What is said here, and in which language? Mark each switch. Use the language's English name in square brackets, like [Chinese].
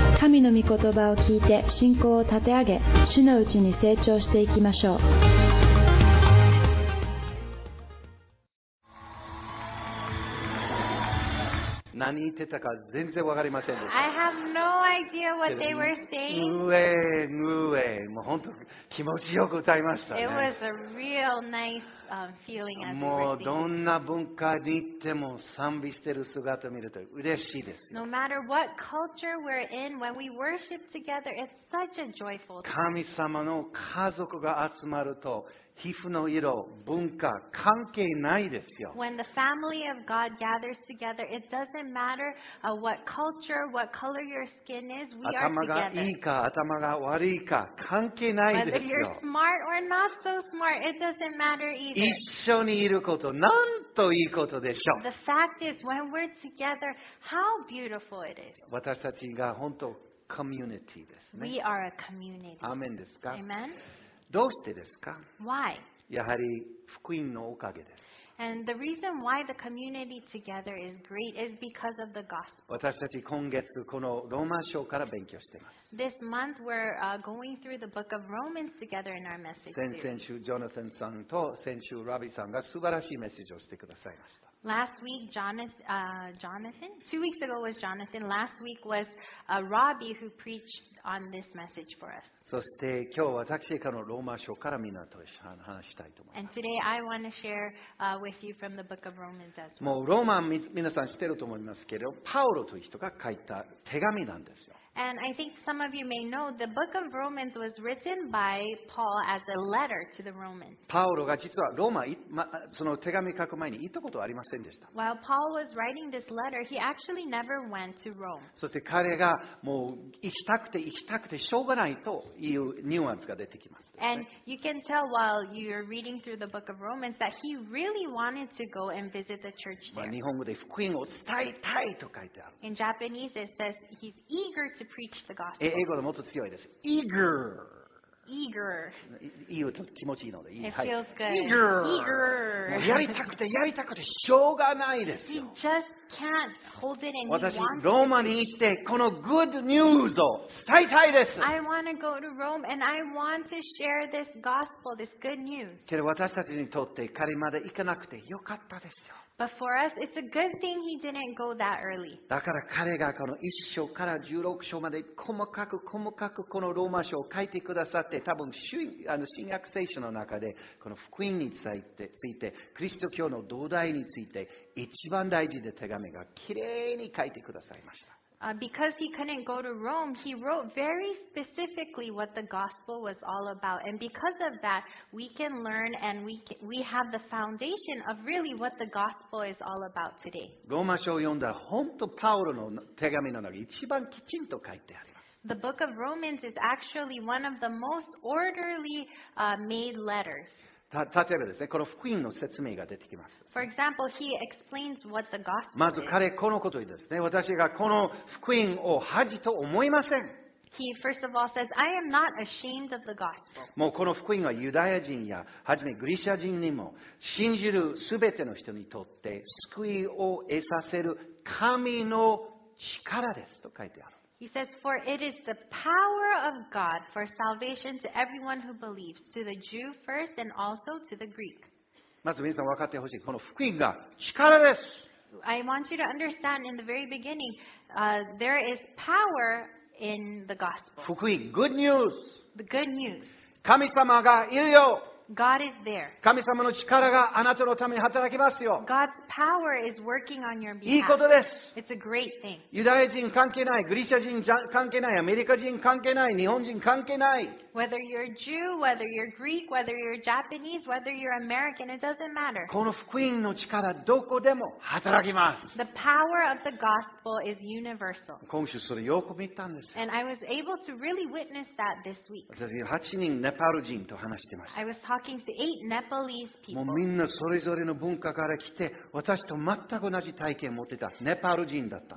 [Japanese] 神の御言葉を聞いて信仰を立て上げ、主のうちに成長していきましょう。何言ってたか全然わかりませんでした。 [English] I have no idea what they were saying. [Japanese] もう本当気持ちよく歌いましたね。 [English] It was a real nice feeling as we were singing. [Japanese] もうどんな文化に行っても賛美してる姿を見ると嬉しいです。 [English] No matter what culture we're in, when we worship together, it's such a joyful thing. [Japanese] 神様の家族が集まると皮膚の色、文化、関係ないですよ。 [English] When the family of God gathers together, it doesn't matter what culture, what color your skin is, we are together. [Japanese] 頭がいいか、頭が悪いか、関係ないですよ。 [English] Whether you're smart or not so smart, it doesn't matter either. [Japanese] 一緒にいること、なんといいことでしょう。 [English] The fact is, when we're together, how beautiful it is. [Japanese] 私たちが本当、コミュニティですね。 [English] We are a community. [Japanese] アーメンですか？ [English] Amen? [Japanese] どうしてですか？ [English] Why? [Japanese] やはり福音のおかげです。 [English] And the reason why the community together is great is because of the gospel. [Japanese] 私たち今月このローマ書から勉強しています。 [English] This month we're going through the book of Romans together in our message series. [Japanese] 先々週ジョナサンさんと先週ラビさんが素晴らしいメッセージをしてくださいました。 [English] Last week, Jonathan? 2 weeks ago was Jonathan. Last week was Robbie who preached on this message for us. [Japanese] そして今日私からのローマ書からみんなと話したいと思います。 [English] And today I want to share with you from the book of Romans as well. [Japanese] もうローマ皆さん知ってると思いますけど、パウロという人が書いた手紙なんですよ。 [English] And I think some of you may know the book of Romans was written by Paul as a letter to the Romans. [Japanese] パウロが実はローマ、その手紙書く前に行ったことはありませんでした。 [English] While Paul was writing this letter, he actually never went to Rome. [Japanese] そして彼がもう行きたくて行きたくてしょうがないというニュアンスが出てきます。 [English] And you can tell while you're reading through the book of Romans that he really wanted to go and visit the church there. [Japanese] 日本語で福音を伝えたいと書いてある。 [English] In Japanese, it says he's eager to preach the gospel. [Japanese] 英語でもっと強いです。 [English] Eager. Eager. [Japanese] いいよ、気持ちいいので。 [English] It feels good. Eager. Eager. [Japanese] やりたくてやりたくてしょうがないですよ。 [English] He just can't hold it and he wants. [Japanese] 私ローマに行ってこの [English] good news [Japanese] を伝えたいです。 [English] I want to go to Rome and I want to share this gospel, this good news. [Japanese] けど私たちにとって彼まで行かなくてよかったですよ。 [English] But for us, it's a good thing he didn't go that early. [Japanese] だから彼がこの1章から16章まで細かく細かくこのローマ書を書いてくださって、多分新約聖書の中でこの福音について、キリスト教の土台について一番大事な手紙がきれいに書いてくださいました。 [English] Because he couldn't go to Rome, he wrote very specifically what the gospel was all about. And because of that, we can learn and we have the foundation of really what the gospel is all about today. [Japanese] ローマ書を読んだら本当パウロの手紙の中で一番きちんと書いてあります。 [English] The book of Romans is actually one of the most orderly made letters. [Japanese] 例えばですね、この福音の説明が出てきます。 [English] For example, he explains what the gospel [Japanese] is. まず彼このことですね、私がこの福音を恥と思いません。 [English] He first of all says, I am not ashamed of the gospel. [Japanese] もうこの福音はユダヤ人やはじめギリシャ人にも信じるすべての人にとって救いを得させる神の力ですと書いてある。 [English] He says, for it is the power of God for salvation to everyone who believes, to the Jew first and also to the Greek. [Japanese] まず皆さん分かってほしい。この福音が力です。 [English] I want you to understand in the very beginning, there is power in the gospel. 福音、good news. The good news. [Japanese] 神様がいるよ。 [English] God is there. [Japanese] 神様の力があなたのために働きますよ。 [English] God's power is working on your behalf. [Japanese] いいことです。 [English] It's a great thing. [Japanese] ユダヤ人関係ない、グリシャ人関係ない、アメリカ人関係ない、日本人関係ない。 [English] Whether you're Jew, whether you're Greek, whether you're Japanese, whether you're American, it doesn't matter. [Japanese] この福音の力どこでも働きます。 [English] The power of the gospel is universal. [Japanese] 今週それよく見たんです。 [English] And I was able to really witness that this week. [Japanese] 私は8人ネパール人と話してました。 [English] Talking to eight Nepalese people. [Japanese] もうみんなそれぞれの文化から来て、私と全く同じ体験を持ってたネパール人だった。